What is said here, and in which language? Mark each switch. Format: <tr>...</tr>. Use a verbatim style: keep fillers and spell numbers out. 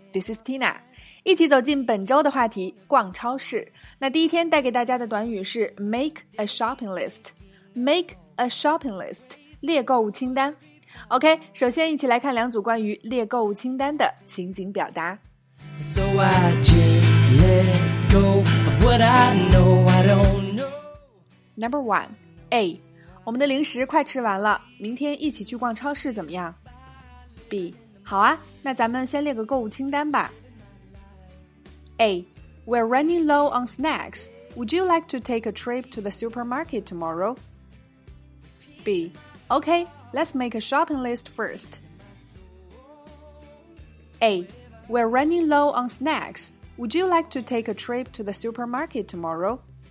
<en>This is Tina.</en> <zh>一起走进本周的话题，逛超市。那第一天带给大家的短语是</zh> <en>make a shopping list. Make a shopping list.</en> <zh>列购物清单。 OK, 首先一起来看两组关于列购物清单的情景表达。</zh> <en>So I just let go of what I know I don't know. Number one, A.</en> <zh>我们的零食快吃完了，明天一起去逛超市怎么样 ？B. 好啊，那咱们先列个购物清单吧。</zh> <en>A. We're running low on snacks. Would you like to take a trip to the supermarket tomorrow? B. Okay, let's make a shopping list first. A. We're running low on snacks. Would you like to take a trip to the supermarket tomorrow?</en>